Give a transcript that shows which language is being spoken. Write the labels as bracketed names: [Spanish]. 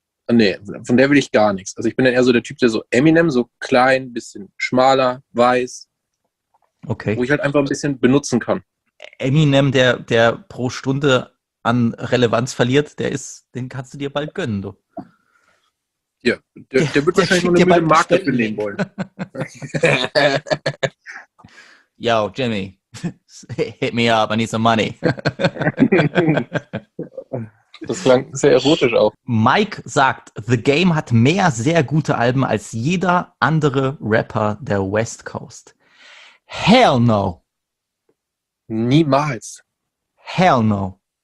[German] Nee, von der will ich gar nichts. Also ich bin dann eher so der Typ, der so Eminem, so klein, bisschen schmaler, weiß. Okay. Wo ich halt einfach ein bisschen benutzen kann. Eminem, der pro Stunde an Relevanz verliert, den kannst du dir bald gönnen, du. Ja, der wird wahrscheinlich nur eine Mühle Marke benehmen wollen. [English] Yo, Jimmy, hit me up, I need some money. [German] Das klang sehr erotisch auch. Mike sagt, The Game hat mehr sehr gute Alben als jeder andere Rapper der West Coast. [English] Hell no. [German] Niemals. [English] Hell no.